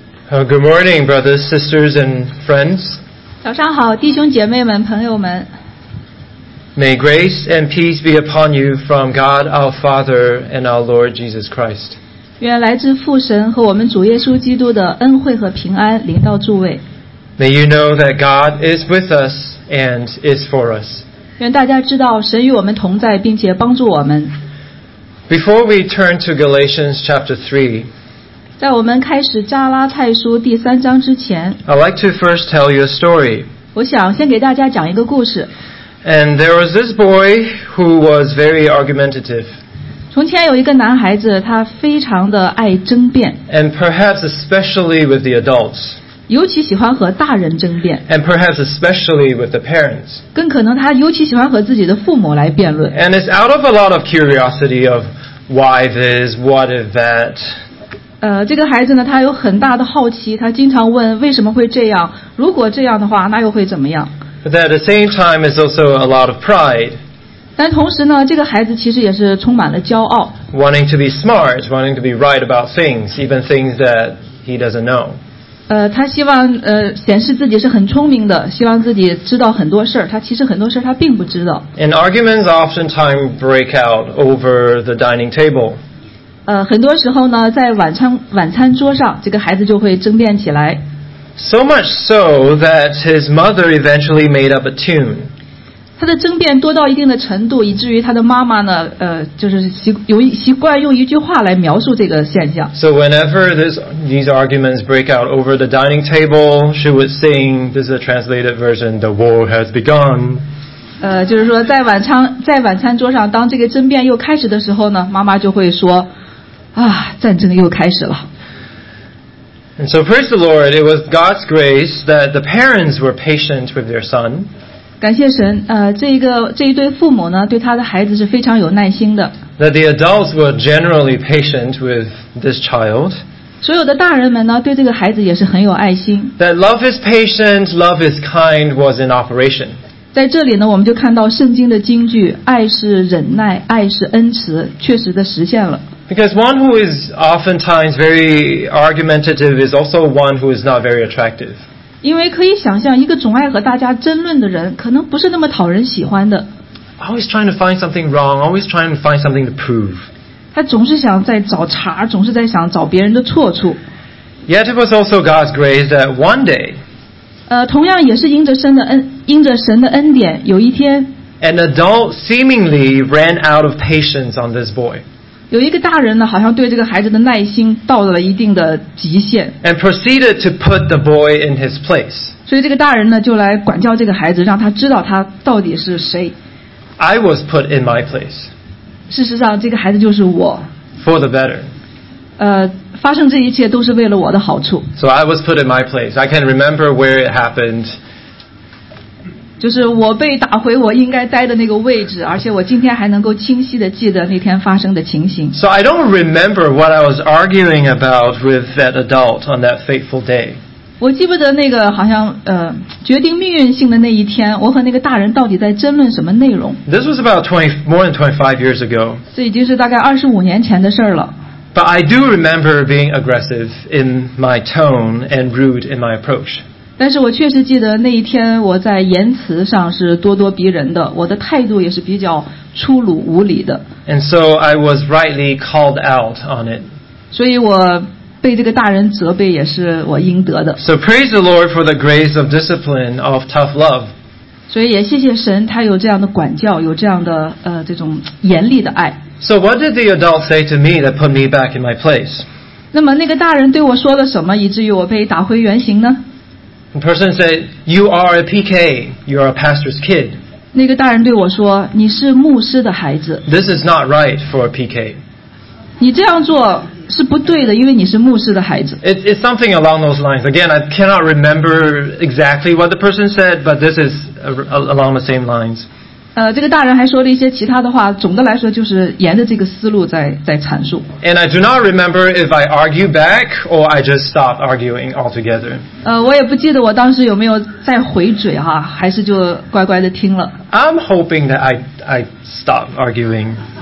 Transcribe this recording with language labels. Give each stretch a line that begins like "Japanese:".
English: Good morning, brothers, sisters, and friends.
Chinese: 早上好，弟兄姐妹们，朋友们。
English: May grace and peace be upon you from God our Father and our Lord Jesus Christ.
Chinese: 愿来自父神和我们主耶稣基督的恩惠和平安临到诸位。
English: May you know that God is with us and is for us.
Chinese: 愿大家知道神与我们同在，并且帮助我们。
English: Before we turn to Galatians chapter 3,
Chinese: 在我们开始加拉太书第三章之前
English: I'd like to first tell you a story.
Chinese: 我想先给大家讲一个故事。
English: And there was this boy who was very argumentative.
Chinese: 从前有一个男孩子，他非常的爱争辩。
English: And perhaps especially with the adults.
Chinese: 尤其喜欢和大人争辩。
English: And perhaps especially with the parents.
Chinese: 更可能他尤其喜欢和自己的父母来辩论。
English: And it's out of a lot of curiosity of why this, what if that.
Chinese: 这个孩子呢，他有很大的好奇，他经常问为什么会这样？如果这样的话，那又会怎么样？
English: But at the same time, it's also a lot of pride.
Chinese: 但同时呢，这个孩子其实也是充满了骄傲。
English: Wanting to be smart, wanting to be right about things, even things that he doesn't know.
Chinese: 他希望显示自己是很聪明的，希望自己知道很多事儿。他其实很多事儿他并不知道。
English: And arguments oftentimes break out over the dining table.
Chinese: 很多时候呢，在晚餐桌上，这个孩子就会争辩起来。
English: So much so that his mother eventually made up a tune.
Chinese: 他的争辩多到一定的程度，以至于他的妈妈呢，就是习惯用一句话来描述这个现象。
English: So whenever these arguments break out over the dining table, she would sing. This is a translated version. The war has begun.
Chinese: 就是说在晚餐桌上，当这个争辩又开始的时候呢，妈妈就会说。战争又开始了。
English: And so praise the Lord, it was God's grace that the parents were patient with their son.
Chinese: 感谢神，这一对父母呢，对他的孩子是非常有耐心的。
English: That the adults were generally patient with this child.
Chinese: 所有的大人们呢，对这个孩子也是很有爱心。
English: That love is patient, love is kind was in operation.
Chinese: 在这里呢，我们就看到圣经的金句：爱是忍耐，爱是恩慈，确实的实现了。
English: Because one who is oftentimes very argumentative is also one who is not very attractive.
Chinese: 因为可以想象，一个总爱和大家争论的人，可能不是那么讨人喜欢的。
English: Always trying to find something wrong, always trying to find something to prove.
Chinese: 他总是想在找茬，总是在想找别人的错处。
English: Yet it was also God's grace that one day.
Chinese: 同样也是因着神的恩典，有一天。
English: An adult seemingly ran out of patience on this boy.
Chinese: 有一个大人呢，好像对这个孩子的耐心到了一定的极限。
English: And proceeded to put the boy in his place.
Chinese: 所以这个大人呢，就来管教这个孩子，让他知道他到底是谁。
English: I was put in my place.
Chinese: 事实上，这个孩子就是我。
English: For the better.
Chinese: 发生这一切都是为了我的好处。
English: So I was put in my place. I can remember where it happened.
Chinese: 就是我被打回我应该待的那个位置，而且我今天还能够清晰地记得那天发生的情形。
English: So I don't remember what I was arguing about with that adult on that fateful day.
Chinese: 我记不得那个好像决定命运性的那一天，我和那个大人到底在争论什么内容。
English: This was about more than 25 years ago.
Chinese: 这已经是大概25年前的事了。
English: But I do remember being aggressive in my tone and rude in my approach.
Chinese: 但是我确实记得那一天我在言辞上是咄咄逼人的，我的态度也是比较粗鲁无礼的。
English: And so I was rightly called out on it.
Chinese: 所以我被这个大人责备也是我应得的。
English: So praise the Lord for the grace of discipline of tough love.
Chinese: 所以也谢谢神，他有这样的管教，有这样的这种严厉的爱。
English: So what did the adult say to me that put me back in my place?
Chinese: 那么那个大人对我说了什么，以至于我被打回原形呢？
English: The person said, "You are a PK. You are a pastor's kid."
Chinese: 那个大人对我说，你是牧师的孩子。
English: This is not right for a PK.
Chinese: 你这样做是不对的，因为你是牧师的孩子。
English: It's something along those lines. Again, I cannot remember exactly what the person said, but this is along the same lines.
Chinese: 这个大人还说了一些其他的话，总的来说就是沿着这个思路在阐述。
English: And I do not remember if I argue back or I just stop arguing altogether.
Chinese: 我也不记得我当时有没有再回嘴哈，还是就乖乖的听了。
English: I'm hoping that I stop arguing.